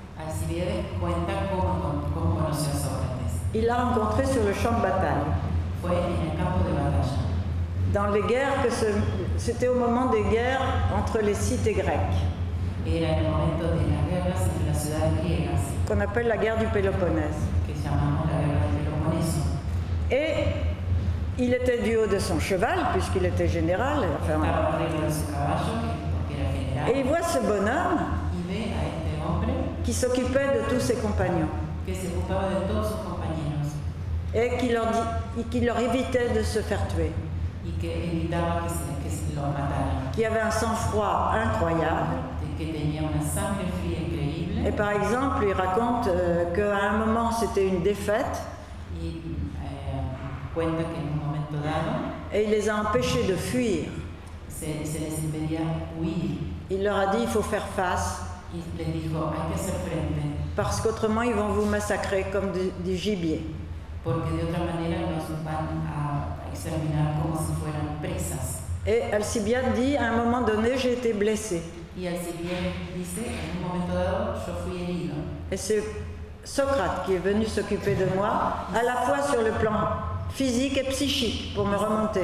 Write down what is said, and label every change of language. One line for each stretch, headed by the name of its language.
Spanish: Alcibiade cuenta cómo conoció a Sócrates.
French: Il l'a rencontré sur le champ de bataille.
Spanish: Fue en el campo de batalla.
French: Dans les guerres c'était au moment des guerres entre les cités grecques.
Spanish: Era el momento de las guerras entre las ciudades griegas.
French: Qu'on appelle la guerre du Péloponnèse.
Spanish: Que llamamos la guerra del Peloponeso.
French: Et il était du haut de son cheval, puisqu'il était général.
Spanish: Estaba arriba de su caballo, porque era general.
French: Et il voit ce bonhomme
Spanish: y ve a este hombre,
French: qui s'occupait de tous ses compagnons.
Spanish: Que se ocupaba de todos sus compañeros.
French: Et qui leur, évitait de se faire tuer.
Spanish: Y que evitaba que se, lo mataran.
French: Qui avait un sang-froid incroyable.
Spanish: Que tenía una sangre fría increíble.
French: Et par exemple, il raconte qu'à un moment, c'était une défaite.
Spanish: Y, cuenta que en un momento dado,
French: et il les a empêchés de fuir.
Spanish: Se les impedía huir.
French: Il leur a dit, il faut faire face.
Spanish: Y le dijo, hay que hacer frente.
French: Parce qu'autrement, ils vont vous massacrer comme du gibier.
Spanish: Porque de otra manera nos van a exterminar como si fueran presas.
French: Et Alcibiade dit, à un moment donné, j'ai été blessé.
Spanish: Y Alcibiade dice, en un momento dado, yo fui herido.
French: Et c'est Socrate qui est venu s'occuper de moi, à la fois sur le plan physique et psychique, pour me remonter.